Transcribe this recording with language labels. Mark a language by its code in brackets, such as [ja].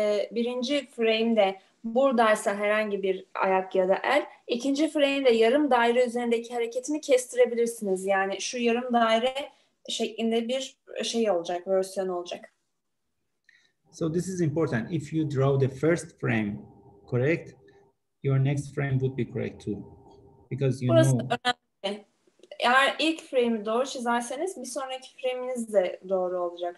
[tr] Birinci frame'de buradaysa herhangi bir ayak ya da el, ikinci frame'de yarım daire üzerindeki hareketini kestirebilirsiniz. Yani şu yarım daire şeklinde bir şey olacak, versiyon olacak. [en] So this is important. If you draw the first frame correct, your next frame would be correct too. Because you [tr] Burası [en] know... [tr] önemli. Eğer ilk frame'i doğru çizerseniz bir sonraki frame'iniz de doğru olacak.